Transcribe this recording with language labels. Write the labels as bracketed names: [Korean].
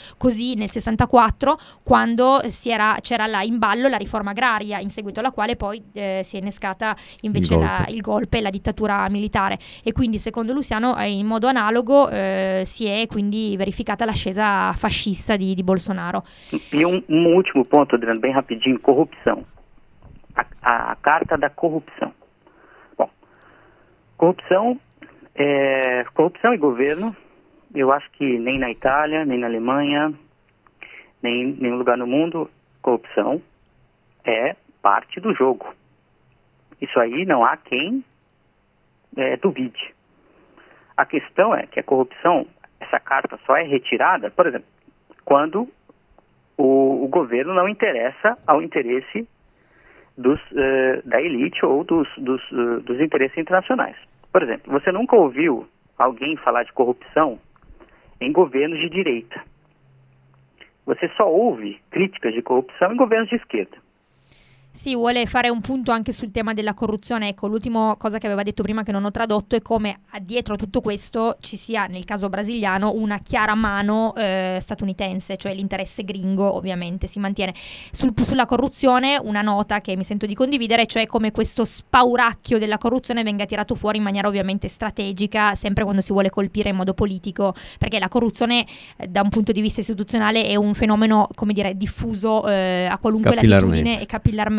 [Italian] Così nel 64, quando c'era là in ballo la riforma agraria, in seguito alla quale poi si è innescata invece il golpe e la dittatura militare. E quindi, secondo Luciano, in modo analogo si è quindi verificata l'ascesa fascista di Bolsonaro. E un ultimo punto, [Portuguese] rapidinho, corrupção. A carta da corrupção. Bom, corrupção e governo, eu acho que nem na Itália, nem na Alemanha, nem em nenhum lugar no mundo, corrupção é parte do jogo. Isso aí não há quem duvide. A questão é que a corrupção, essa carta só é retirada, por exemplo, quando o governo não interessa ao interesse da elite ou dos interesses internacionais. Por exemplo, você nunca ouviu alguém falar de corrupção em governos de direita. Você só ouve críticas de corrupção em governos de esquerda. [Italian] Sì, vuole fare un punto anche sul tema della corruzione. Ecco, l'ultima cosa che aveva detto prima che non ho tradotto è come dietro a tutto questo ci sia, nel caso brasiliano, una chiara mano statunitense, cioè l'interesse gringo ovviamente si mantiene. Sulla corruzione, una nota che mi sento di condividere, cioè come questo spauracchio della corruzione venga tirato fuori in maniera ovviamente strategica, sempre quando si vuole colpire in modo politico, perché la corruzione da un punto di vista istituzionale è un fenomeno, come dire, diffuso a qualunque latitudine e capillarmente.